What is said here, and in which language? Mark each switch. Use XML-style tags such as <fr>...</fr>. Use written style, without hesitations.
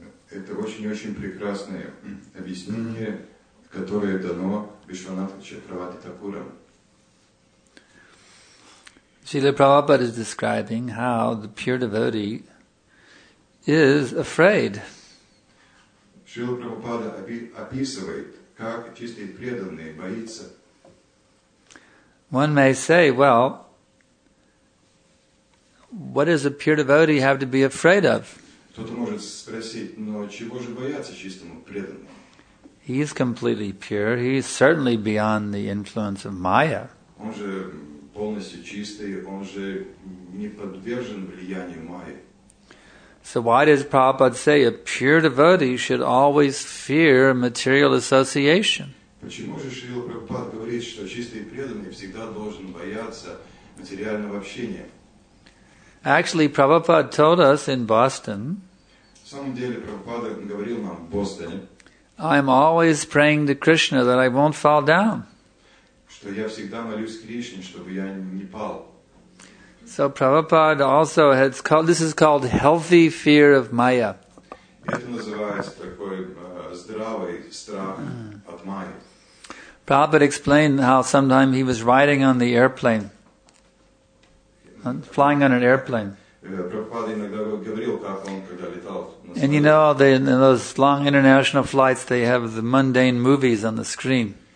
<ru>Это очень-очень прекрасное объяснение, которое дано Вишванатху Чакравати Такура.</ru> <en>Srila Prabhupada is describing how the pure devotee is afraid.</en> <ru>Srila Prabhupada описывает, как чистый преданный боится.</ru> <en>One may say, well, what does a pure devotee have to be afraid of?</en> <ru>Кто-то может спросить, но чего же бояться чистому преданному?</ru> <en>He is completely pure. He is certainly beyond the influence of Maya.</en> <ru>Он же полностью чистый, он же не подвержен влиянию Майи.</ru> <en>So why does Prabhupada say a pure devotee should always fear material association?</en> <ru>Почему же Шрила Прабхупад говорит, что чистый преданный всегда должен бояться материального общения?</ru> <en>Actually, Prabhupada told us in Boston.</en> <ru>В самом деле, Прабхупада говорил нам в Бостоне.</ru> <en>I'm always praying to Krishna that I won't fall down.</en> <ru>Что я всегда молюсь Кришне, чтобы я не пал.</ru> <en>So Prabhupada also has called, this is called healthy fear of Maya.</en> <ru>Это называется такой здравый страх от Майи.</ru> <en>Prabhupada explained how sometime he was riding on the airplane, flying on an airplane. And you know, they, in those long international flights, they have the mundane movies on the screen.</en>